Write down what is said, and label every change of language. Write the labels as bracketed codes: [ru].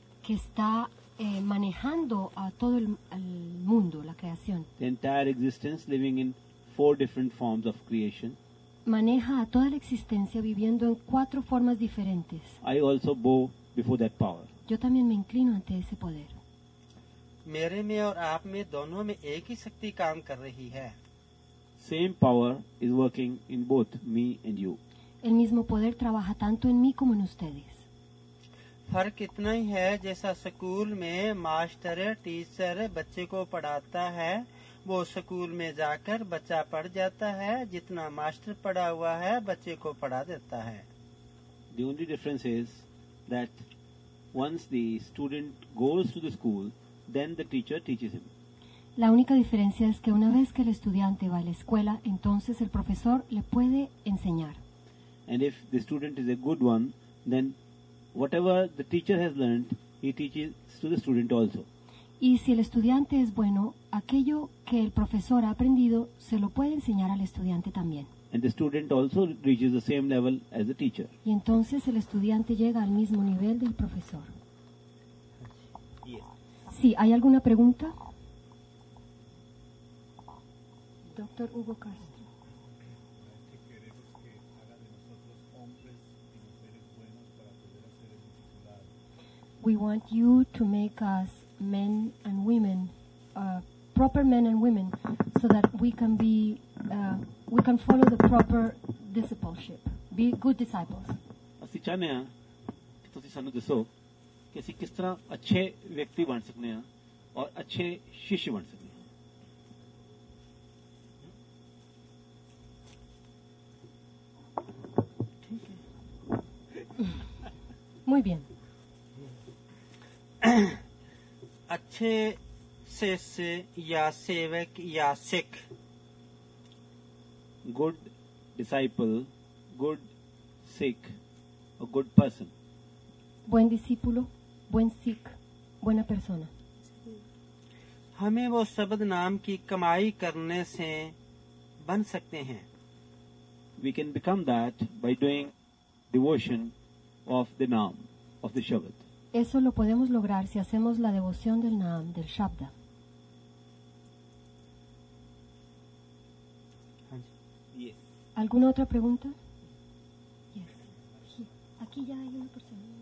[es] que está manejando a todo el mundo, la creación, [en] the entire existence living in four different forms of creation. [es] Maneja a toda la existencia viviendo en cuatro formas diferentes. [en] I also bow before that power. [es] Yo también me inclino ante ese poder. [hi] मेरे में और आप में दोनों में एक ही शक्ति काम कर रही है. [en] Same power is working in both me and you. [es] El mismo poder trabaja tanto en mí como en ustedes. [hi] फर्क इतना ही है जैसा स्कूल में मास्टर टीचर बच्चे को पढ़ाता है वो स्कूल में जाकर बच्चा पढ़ जाता है, जितना मास्टर पढ़ा हुआ है बच्चे को पढ़ा देता है. [en] The only difference is that once the student goes to the school, then the teacher teaches him. [es] La única diferencia es que una vez que el estudiante va a la escuela, entonces el profesor le puede enseñar. [en] And if the student is a good one, then whatever the teacher has learned, he teaches to the student also. [es] Y si el estudiante es bueno, aquello que el profesor ha aprendido se lo puede enseñar al estudiante también. [en] And the student also reaches the same level as the teacher. [es] Y entonces el estudiante llega al mismo nivel del profesor. [en] Yes. [es] Sí, ¿hay alguna pregunta? Doctor Hugo Castro. [en] We want you to make us men and women, proper men and women, so that we can be, we can follow the proper discipleship, be good disciples. [pa] ਅਸੀਂ ਚਾਹੁੰਦੇ ਹਾਂ ਕਿ ਤੁਸੀਂ ਸਾਨੂੰ ਦੱਸੋ ਕਿ ਅਸੀਂ ਕਿਸ ਤਰ੍ਹਾਂ ਅੱਛੇ ਵਿਅਕਤੀ ਬਣ ਸਕਦੇ ਹਾਂ ਔਰ ਅੱਛੇ ਸ਼ਿਸ਼ ਬਣ ਸਕਦੇ ਹਾਂ. [es] ਠੀਕ ਹੈ. Muy bien. [hi] अच्छे शिष्य या सेवक या Sikh. [en] Good disciple, good Sikh, a good person. [es] बुएन डिसिपुलो, बुएन सिख, बुएना पर्सोना. [hi] हमें वो शब्द नाम की कमाई करने से बन सकते हैं. [en] We can become that by doing devotion of the naam of the shabad. [es] Eso lo podemos lograr si hacemos la devoción del Naam, del Shabda. ¿Alguna otra pregunta? Yes. Aquí ya hay una persona.